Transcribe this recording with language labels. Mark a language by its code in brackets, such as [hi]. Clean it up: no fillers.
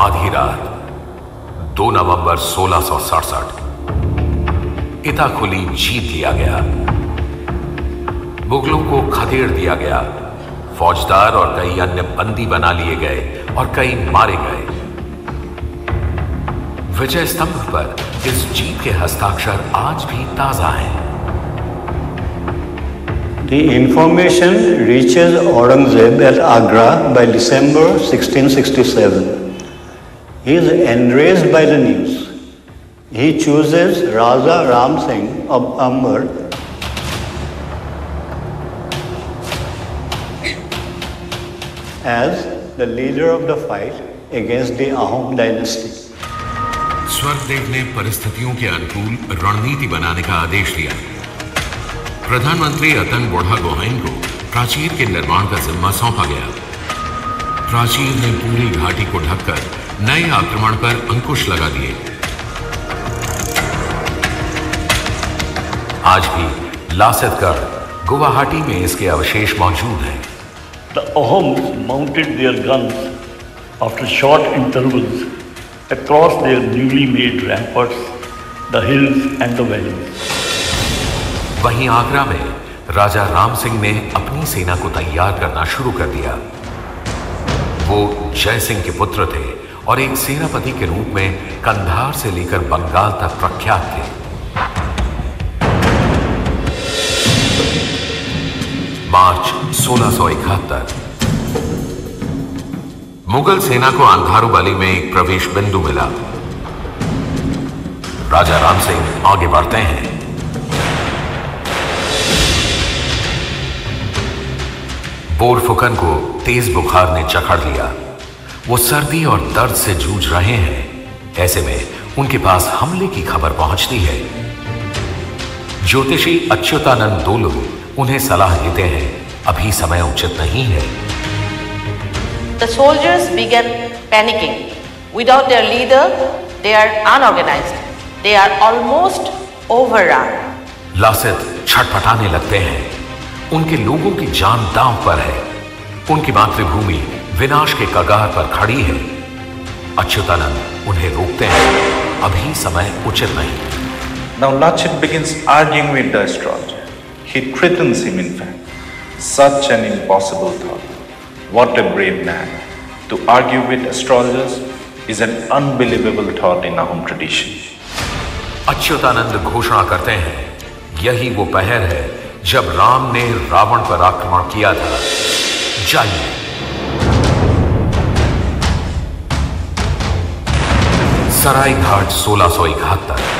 [hi] आधी रात 2 नवंबर 1667, इताखुली जीत लिया गया, मुगलों को खदेड़ दिया गया। फौजदार और कई अन्य बंदी बना लिए गए और कई मारे गए। विजय स्तंभ पर इस जीत के हस्ताक्षर आज भी ताजा हैं। [en] The information reaches Aurangzeb at Agra by December 1667. He is enraged by the news. He chooses Raja Ram Singh of Amber. As the leader of the fight against the Ahom dynasty. [hi] Swargadeo ने परिस्थितियों के अनुकूल रणनीति बनाने का आदेश दिया। प्रधानमंत्री अतन बोढ़ा गोहेन को प्राचीर के निर्माण का जिम्मा सौंपा गया। प्राचीर ने पूरी घाटी को ढककर नए आक्रमण पर अंकुश लगा दिए। आज भी लासितगढ़ गुवाहाटी में इसके अवशेष मौजूद हैं। [en] The Ahoms mounted their guns after short intervals across their newly made ramparts, the hills and the valleys. [hi] वहीं आगरा में राजा राम सिंह ने अपनी सेना को तैयार करना शुरू कर दिया। वो जय सिंह के पुत्र थे और एक सेनापति के रूप में कंधार से लेकर बंगाल तक प्रख्यात थे। मार्च 1671 मुगल सेना को अंधारुबाली में एक प्रवेश बिंदु मिला। राजा राम सिंह आगे बढ़ते हैं। बोरफुकन को तेज बुखार ने जकड़ लिया। वो सर्दी और दर्द से जूझ रहे हैं। ऐसे में उनके पास हमले की खबर पहुंचती है। ज्योतिषी अच्युतानंद दोलो उन्हें सलाह देते हैं, अभी समय उचित नहीं है। [en] The soldiers began panicking. Without their leader, they are unorganized. They are almost overrun. [hi] Lasit छटपटाने लगते हैं। उनके लोगों की जान दांव पर है। उनकी मातृभूमि विनाश के कगार पर खड़ी है। अच्युतानंद उन्हें रोकते हैं, अभी समय उचित नहीं। [en] Now Lachit begins arguing with the astrologer. He threatens him in fact. Such an impossible thought. What a brave man. To argue with astrologers is an unbelievable thought in Ahom tradition. [hi] Achyutanand घोषणा करते हैं, यही वो पहर है जब राम ने रावण पर आक्रमण किया था। जाइए। सराय घाट 1671।